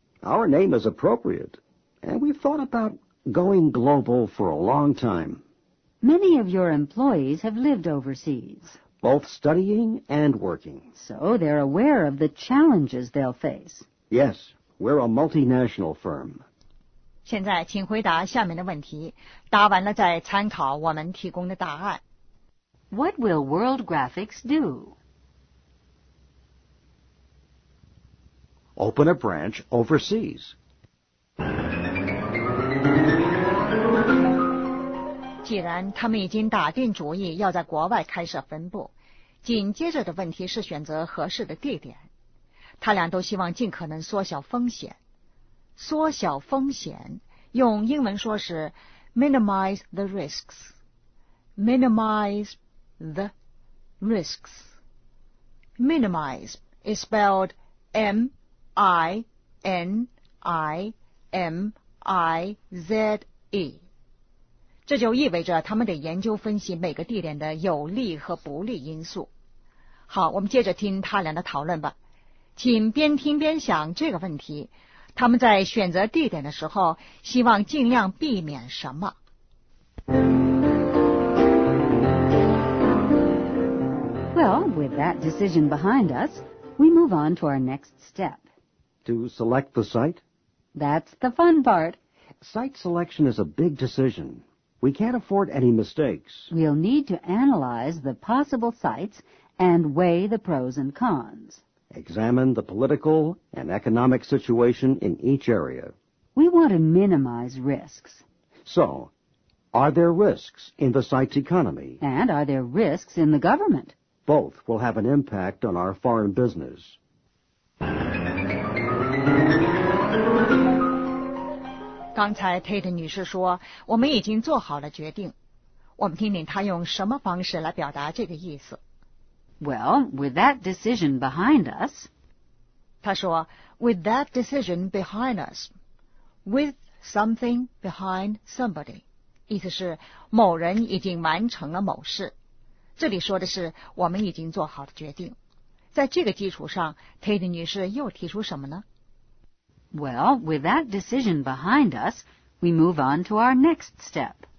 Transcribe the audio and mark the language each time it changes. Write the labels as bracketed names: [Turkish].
[English] Our name is appropriate, and we've thought about going global for a long time. Many of your employees have lived overseas. Both studying and working. So they're aware of the challenges they'll face. Yes, we're a multinational firm. [Chinese] 现在请回答下面的问题，答完了再参考我们提供的答案。 [English] What will World Graphics do? Open a branch overseas. [Chinese] 既然他们已经打定主意要在国外开设分部，紧接着的问题是选择合适的地点。他俩都希望尽可能缩小风险。缩小风险用英文说是 [English] minimize the risks， minimize the risks。 minimize is spelled M-I-N-I-M-I-Z-E。 [Chinese] 这就意味着他们得研究分析每个地点的有利和不利因素。好，我们接着听他俩的讨论吧，请边听边想这个问题，他们在选择地点的时候希望尽量避免什么。 [English] Well, with that decision behind us, we move on to our next step. To select the site? That's the fun part. Site selection is a big decision. We can't afford any mistakes. We'll need to analyze the possible sites and weigh the pros and cons. Examine the political and economic situation in each area. We want to minimize risks. So, are there risks in the site's economy? And are there risks in the government? Both will have an impact on our foreign business. Well, with that decision behind us... [Chinese] 她说, [English] with that decision behind us, with something behind somebody, [Chinese] 意思是某人已经完成了某事。这里说的是我们已经做好的决定。在这个基础上,Tate女士又提出什么呢? [English] Well, with that decision behind us, we move on to our next step.